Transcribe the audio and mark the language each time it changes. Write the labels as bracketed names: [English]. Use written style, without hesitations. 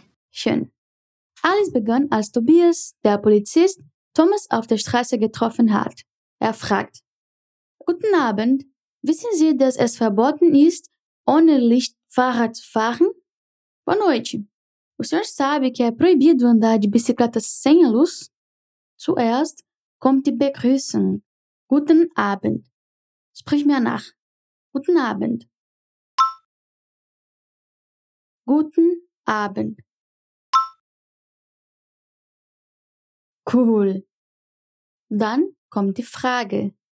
[German] Schön. Alles begann, als Tobias, der Polizist, Thomas auf der Straße getroffen hat. Er fragt: Guten Abend, wissen Sie, dass es verboten ist, ohne Licht Fahrrad zu fahren? [Portuguese] Boa noite. O senhor sabe que é proibido andar de bicicleta sem a luz? [German] Zuerst kommt die Begrüßung. Guten Abend. Sprich mir nach. Guten Abend. Guten Abend. Cool. Dann kommt die Frage.